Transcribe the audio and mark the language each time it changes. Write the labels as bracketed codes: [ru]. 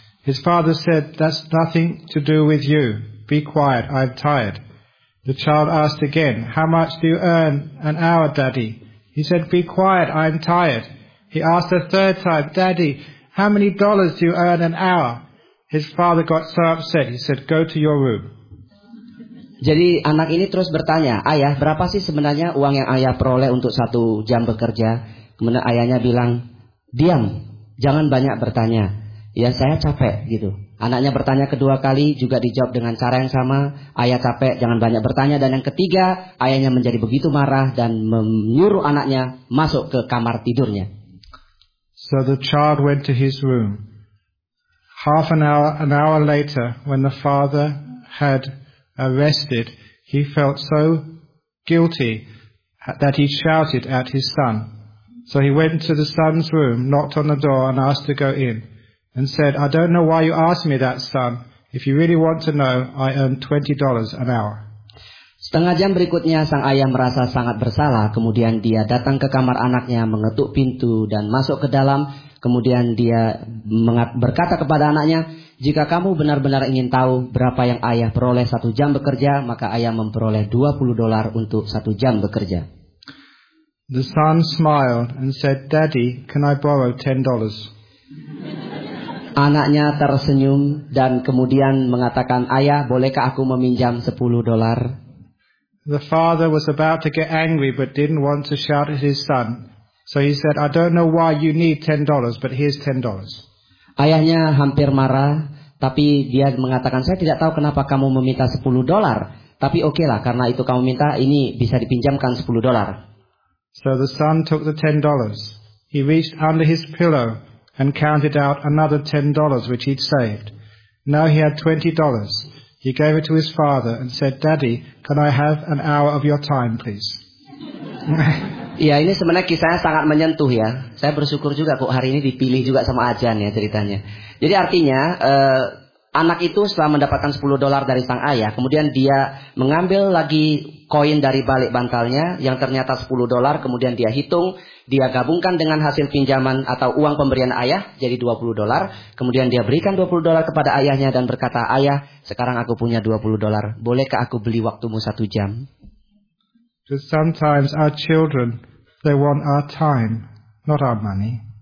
[en] His father said, "That's nothing to do with you. Be quiet, I'm tired." The child asked again, "How much do you earn an hour, Daddy?" He said, "Be quiet, I'm tired." He asked a third time, "Daddy, how many dollars do you earn an hour?" His father got so upset, he said, "Go to your room." [id] Jadi anak ini terus bertanya, "Ayah, berapa sih sebenarnya uang yang ayah peroleh untuk 1 jam bekerja?" Kemudian ayahnya bilang, "Diam, jangan banyak bertanya. Ya, saya capek," gitu. Anaknya bertanya kedua kali, juga dijawab dengan cara yang sama, "Ayah capek, jangan banyak bertanya." Dan yang ketiga, ayahnya menjadi begitu marah dan menyuruh anaknya masuk ke kamar tidurnya. [en] So the child went to his room. Half an hour later, when the father had arrested, he felt so guilty that he shouted at his son. So he went to the son's room, knocked on the door and asked to go in. And said, "I don't know why you asked me that, son. If you really want to know, I earn $20 an hour." [id] Setengah jam berikutnya, sang ayah merasa sangat bersalah. Kemudian dia datang ke kamar anaknya, mengetuk pintu dan masuk ke dalam. Kemudian dia berkata kepada anaknya, "Jika kamu benar-benar ingin tahu berapa yang ayah peroleh 1 jam bekerja, maka ayah memperoleh $20 untuk 1 jam bekerja." [en] The son smiled and said, "Daddy, can I borrow $10? [id] Anaknya tersenyum dan kemudian mengatakan, "Ayah, bolehkah aku meminjam $10? [en] The father was about to get angry but didn't want to shout at his son. So he said, "I don't know why you need $10, but here's $10. [id] Ayahnya hampir marah, tapi dia mengatakan, "Saya tidak tahu kenapa kamu meminta $10, tapi okelah, karena itu kamu minta, ini bisa dipinjamkan $10. [en] So the son took the $10. He reached under his pillow and counted out another $10 which he'd saved. Now he had $20. He gave it to his father and said, "Daddy, can I have an hour of your time, please?" [id] Ya, ini sebenarnya kisahnya sangat menyentuh ya. Saya bersyukur juga kok hari ini dipilih juga sama Ajan ya ceritanya. Jadi artinya anak itu setelah mendapatkan 10 dolar dari sang ayah, kemudian dia mengambil lagi koin dari balik bantalnya yang ternyata 10 dolar, kemudian dia hitung, dia gabungkan dengan hasil pinjaman atau uang pemberian ayah jadi 20 dolar, kemudian dia berikan 20 dolar kepada ayahnya dan berkata, "Ayah, sekarang aku punya 20 dolar. Bolehkah aku beli waktumu 1 jam?" [en] Sometimes our children, they want our time, not our money.